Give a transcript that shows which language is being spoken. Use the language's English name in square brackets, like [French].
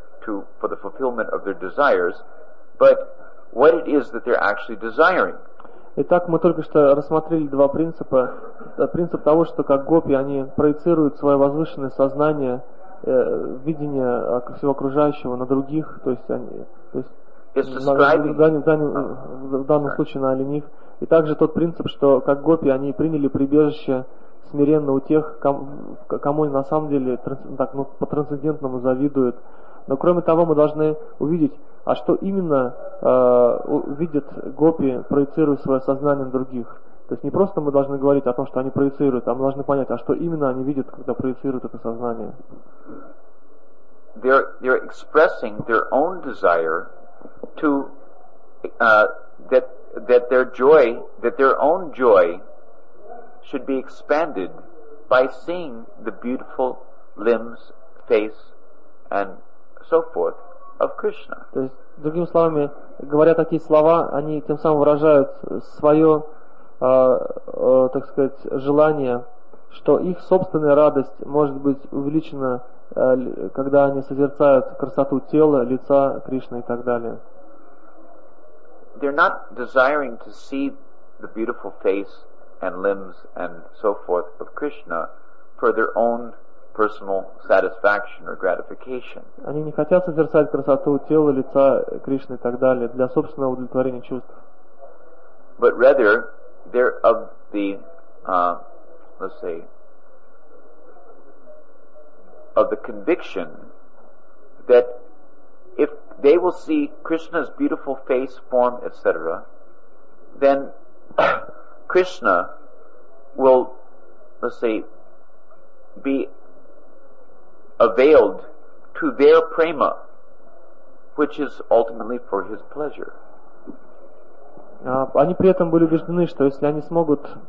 [English] for the fulfillment of their desires, but what it is that they're actually desiring. [Russian] Итак, мы только что рассмотрели два принципа. Принцип того, что как гопи, они проецируют свое возвышенное сознание, видение всего окружающего на других, то есть они, то есть в данном случае на оленив. И также тот принцип, что как гопи, они приняли прибежище смиренно у тех, кому они на самом деле по-трансцендентному завидуют. Но кроме того, мы должны увидеть, а что именно видят гопи, проецируя свое сознание на других. То есть не просто мы должны говорить о том, что они проецируют, а мы должны понять, а что именно они видят, когда проецируют это сознание. [English] They're expressing their own desire to that their joy, that their own joy should be expanded by seeing the beautiful limbs, face, and so forth of Krishna. [Russian] То есть, другими словами, говоря такие слова, они тем самым выражают свое, так сказать, желание, что их собственная радость может быть увеличена, когда они созерцают красоту тела, лица Кришны и так далее. [English] They're not desiring to see the beautiful face and limbs and so forth of Krishna for their own personal satisfaction or gratification. [Russian] Они не хотят созерцать красоту тела, лица Кришны и так далее для собственного удовлетворения чувств. [English] But rather, they're of the, let's say, of the conviction that if they will see Krishna's beautiful face, form, etc., then Krishna will, let's say, be availed to their prema, which is ultimately for his pleasure. [Russian] Они при этом были убеждены, что если они смогут